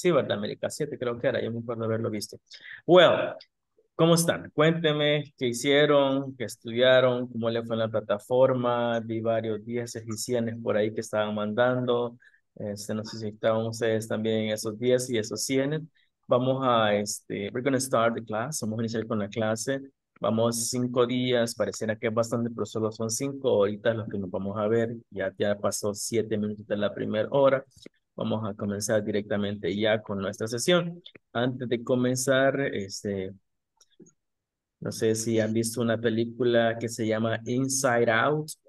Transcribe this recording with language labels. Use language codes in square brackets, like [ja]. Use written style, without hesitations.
[es] Sí, ¿verdad? América 7, creo que era. Yo me acuerdo haberlo visto. Well, ¿cómo están? Cuéntenme qué hicieron, qué estudiaron, cómo le fue en la plataforma. Vi varios 10 ediciones por ahí que estaban mandando. No sé si estaban ustedes también esos 10 y esos 100. Vamos a, [en] we're going to start the class. [es] Vamos a iniciar con la clase. Vamos 5 días, pareciera que es bastante, pero solo son 5 ahorita los que nos vamos a ver. Ya pasó 7 minutos de la primera hora. Vamos a comenzar directamente ya con nuestra sesión. Antes de comenzar, no sé si han visto una película que se llama Inside Out.